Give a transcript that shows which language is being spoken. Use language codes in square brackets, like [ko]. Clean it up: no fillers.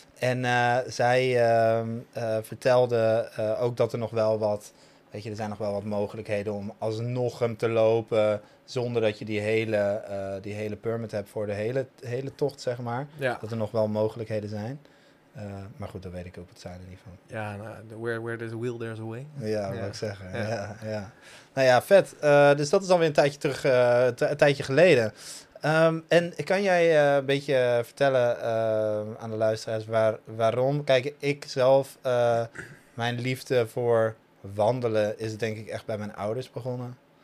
[nl] En zij vertelde ook dat er nog wel wat... Weet je, er zijn nog wel wat mogelijkheden om alsnog hem te lopen zonder dat je die hele permit hebt voor de hele tocht, zeg maar. Ja. Dat er nog wel mogelijkheden zijn. Maar goed, daar weet ik ook het zijn in ieder geval. Ja, nou, [en] where there's a will, there's a way. [nl] Ja, wat ik zeggen. Ja. Nou ja, vet. Dus dat is alweer een tijdje terug, een tijdje geleden. En kan jij een beetje vertellen aan de luisteraars waarom? Kijk, ik zelf, mijn liefde voor wandelen is denk ik echt bij mijn ouders begonnen.